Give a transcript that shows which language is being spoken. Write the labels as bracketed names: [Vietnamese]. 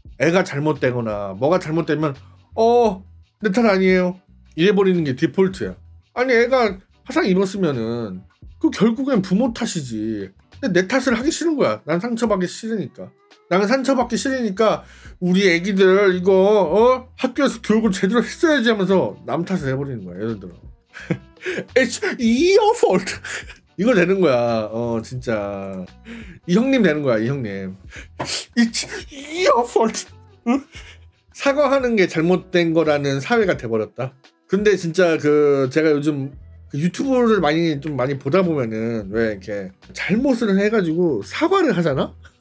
[Korean] 애가 잘못되거나 뭐가 잘못되면 어 내 탓 아니에요 이래버리는 게 디폴트야. 아니 애가 화상 입었으면은 그 결국엔 부모 탓이지. 근데 내 탓을 하기 싫은 거야. 난 상처받기 싫으니까. 난 상처받기 싫으니까 우리 애기들 이거 어? 학교에서 교육을 제대로 했어야지 하면서 남 탓을 해버리는 거야. 예를 들어 [English] It's your fault. [Korean] 이거 되는 거야. 어 진짜 이 형님 되는 거야. 이 형님 [English] It's your fault. [Korean] 사과하는 게 잘못된 거라는 사회가 돼버렸다. 근데 진짜 그 제가 요즘 그 유튜브를 좀 많이 보다 보면은 왜 이렇게 잘못을 해가지고 사과를 하잖아?